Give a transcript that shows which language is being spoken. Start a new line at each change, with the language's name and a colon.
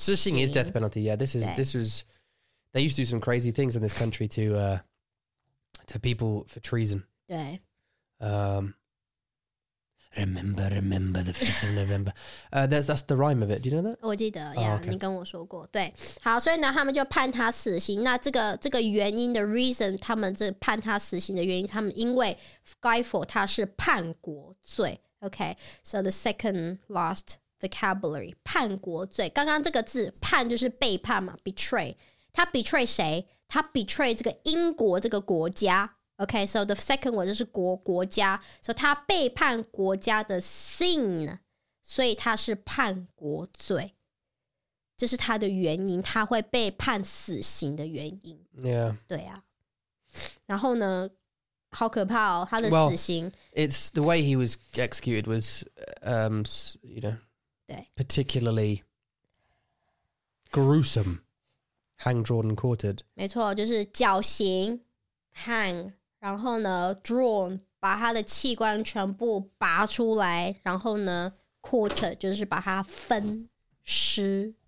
English: 死刑 is death penalty yeah, this is They used to do some crazy things in this country to people for treason
Chinese: 对、
English: Remember, remember the 5th of November. That's the rhyme of it. Do you know that?
Chinese: 我记得呀、yeah, oh, okay. 你跟我说过。对。好所以呢他们就判他死刑。那这个原因的 reason, 他们这判他死刑的原因他们因为 Guyfall 他是叛国罪。
English: Okay, so the second last vocabulary, 叛国罪。
Chinese: 刚刚这个字叛就是背叛嘛 ,betray。他 betray 谁他 betray 这个英国这个国家。
English: Okay, so the second one
Chinese: 就是国家 So 他背叛国家的 sin 所以他是叛国罪这是他的原因他会被判死刑的原因
English: Yeah
Chinese: 对啊然后呢好可怕哦他的死刑
English: Well, it's the way he was executed was, you know
Chinese: 对
English: Particularly gruesome Hang, drawn, and quartered
Chinese: 没错就是绞刑 Hang然后呢 drawn, 把他的器官全部拔出来然后呢 quarter, 就是把他分尸。